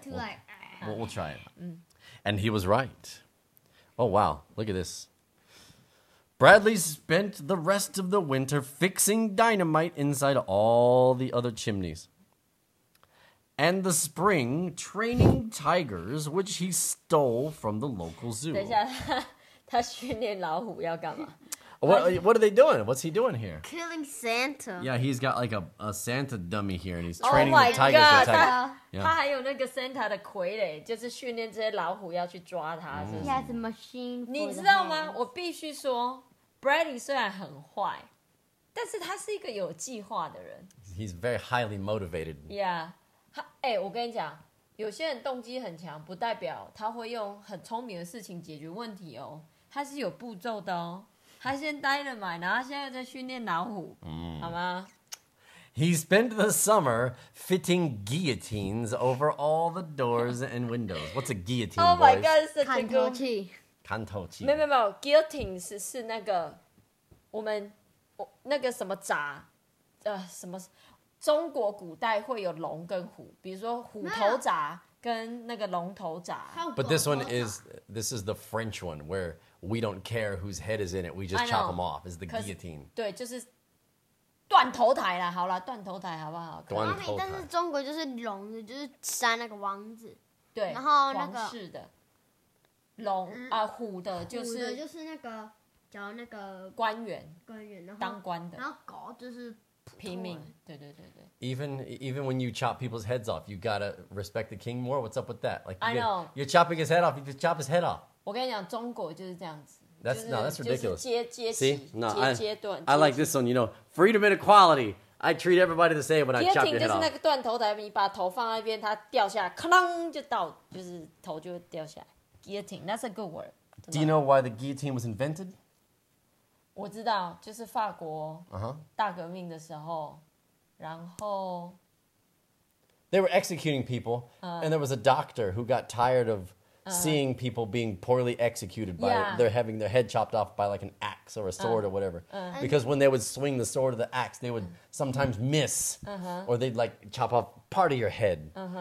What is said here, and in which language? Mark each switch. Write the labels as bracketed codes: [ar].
[en] We'll try it. And he was right. Oh, wow. Look at this. Bradley spent the rest of the winter fixing dynamite inside all the other chimneys. And the spring training tigers, which he stole from the local zoo. [zh] 等一下，他训练老虎要干嘛？ [en] What are they doing? What's he doing here? Killing Santa. Yeah, he's got like a Santa dummy here, and he's training the tigers. Oh my god! Yeah. [zh] 他还有那个 Santa 的傀儡，就是训练这些老虎要去抓他。 [en] He has a machine. [zh] 你知道吗？我必须说 ，Bradley 虽然很坏，但是他是一个有计划的人。 [en] He's very highly motivated. Yeah. [zh] 欸、我跟你讲，有些人动机很强，不代表他会用很聪明的事情解决问题哦。他是有步骤的哦。他先dynamite，然后现在在训练老虎，好吗？ [en] He spent the summer fitting guillotines over all the doors and windows. What's a guillotine? Oh my god, it's a [zh] 砍头器。砍头器。没有 ，guillotines 是那个我们那个什么闸，什么。中国古代会有龙跟虎，比如说虎头铡跟那个龙头铡。 [en] But this is the French one where we don't care whose head is in it, we just chop them off. Is the guillotine? [zh] 对，就是断头台啦。好啦，断头台好不好？断头台。但是中国就是龙，就是杀那个王子。对，然后那个王室的龙啊、虎的，就是那个叫那个官员，然后当官的，然后狗就是。平民，对。 [en] Even when you chop people's heads off, you gotta respect the king more. What's up with that? Like, I know you're chopping his head off. You just chop his head off. [zh] 我跟你讲，中国就是这样子。 [en] That's、 [zh] 就是、 [en] no, that's ridiculous. [zh] 就是、 [en] See, I like this one. You know, freedom and equality. I treat everybody the same when I chop your head off. [zh] 就是那个断头台，你把头放在那边，它掉下来，哐就倒，就是头就掉下来。 [en] Guillotine, that's a good word. Do you know why the guillotine was invented? [zh] 我知道，就是法国大革命的时候， 然后 [en] they were executing people, and there was a doctor who got tired of seeing people being poorly executed by they're having their head chopped off by like an axe or a sword or whatever. Because when they would swing the sword or the axe, they would sometimes miss, or they'd like chop off part of your head.